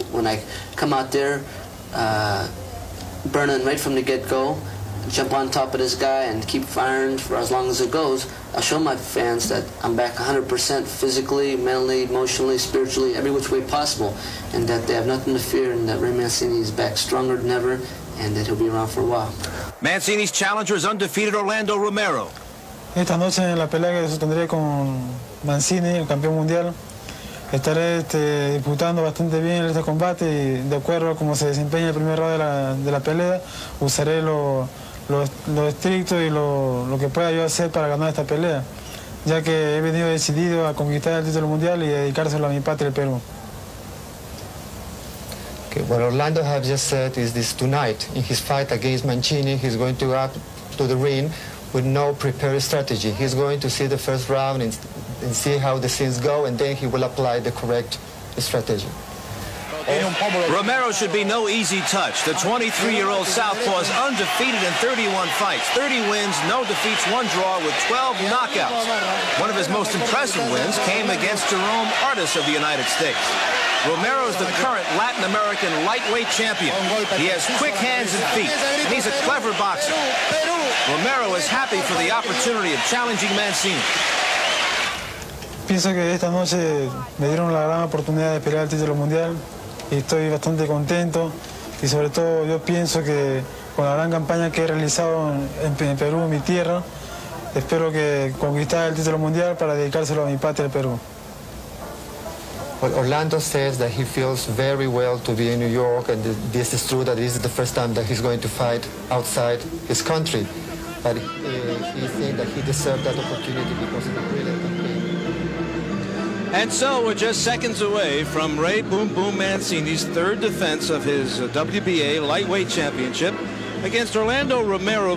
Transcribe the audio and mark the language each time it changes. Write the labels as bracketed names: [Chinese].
[English] When I come out there, burning right from the get-go, jump on top of this guy and keep firing for as long as it goes, I'll show my fans that I'm back 100% physically, mentally, emotionally, spiritually, every which way possible, and that they have nothing to fear, and that Ray Mancini is back stronger than ever, and that he'll be around for a while. Mancini's challenger is undefeated Orlando Romero. [Spanish] Esta noche en la pelea que sostendré con Mancini, el campeón mundial, estaré disputando bastante bien en este combate y de acuerdo a cómo se desempeña el primer round de la pelea, usaré lo estricto y lo que pueda yo hacer para ganar esta pelea, ya que he venido decidido a conquistar el título mundial y dedicárselo a mi patria, el Perú. [English] Okay, what Orlando has just said is this: tonight, in his fight against Mancini, he's going to up to the ring with no prepared strategy. He's going to see the first round and see how the scenes go, and then he will apply the correct strategy. Romero should be no easy touch. The 23-year-old southpaw is undefeated in 31 fights, 30 wins, no defeats, one draw, with 12 knockouts. One of his most impressive wins came against Jerome Artis of the United States. Romero is the current Latin American lightweight champion. He has quick hands and feet, and he's a clever boxer. Romero is happy for the opportunity of challenging Mancini. [Spanish] Pienso que esta noche me dieron la gran oportunidad de pelear el título mundial. Y estoy bastante contento y sobre todo yo pienso que con la gran campaña que he realizado en Perú, mi tierra, espero que conquistar el título mundial para dedicárselo a mi patria, el Perú. [English] Well, Orlando says that he feels very well to be in New York, and this is true, that this is the first time that he's going to fight outside his country. But he thinks that he deserved that opportunity because of the brilliant campaign. And so we're just seconds away from Ray Boom Boom Mancini's third defense of his WBA lightweight championship against Orlando Romero.